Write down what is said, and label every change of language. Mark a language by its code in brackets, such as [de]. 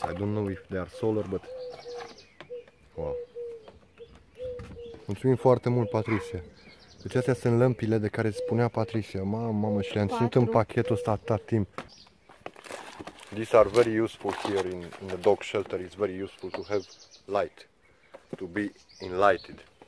[en] I don't know if they are solar, but wow. [ro] Mulțumim foarte mult, Patricia. Deci astea sunt lămpile de care spunea Patricia. Mamă, și le-am ținut în pachetul ăsta atât timp. [en] These are very useful here in the dog shelter. It's very useful to have light, to be enlightened.